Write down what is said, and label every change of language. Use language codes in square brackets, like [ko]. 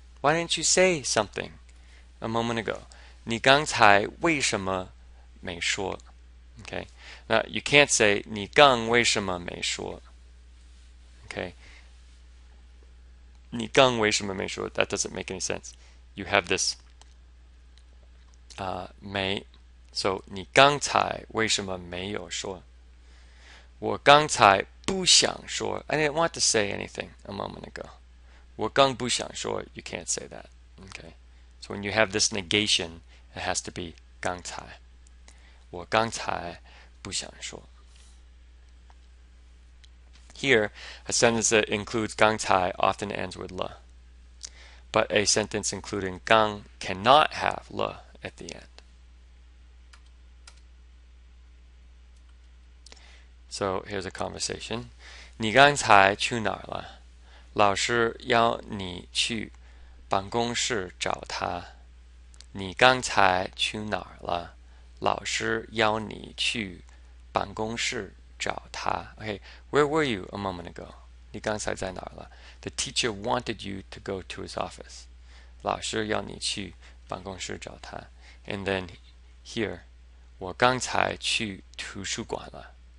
[en] Why didn't you say something a moment ago? [zh] 你刚才为什么没说?Okay. [en] Now you can't say [zh] 你刚为什么没说? Okay. 你刚为什么没说? [en] That doesn't make any sense. You have this 没, so [zh] 你刚才为什么没有说? 我刚才不想说. [en] I didn't want to say anything a moment ago. [zh] 我刚不想说. [en] You can't say that. Okay. So when you have this negation, it has to be 刚才. [zh] 我刚才不想说. [en] Here, a sentence that includes 刚才 often ends with 了. But a sentence including 刚 cannot have 了 at the end. So here's a conversation. [zh] 你刚才去哪儿了? 老师要你去办公室找他. 你刚才去哪儿了?老师要你去办公室找他. [en] Okay, where were you a moment ago? [zh] 你刚才在哪儿了? [en] The teacher wanted you to go to his office. [zh] 老师要你去办公室找他. [en] And then [zh] Here, 我刚才去图书馆了.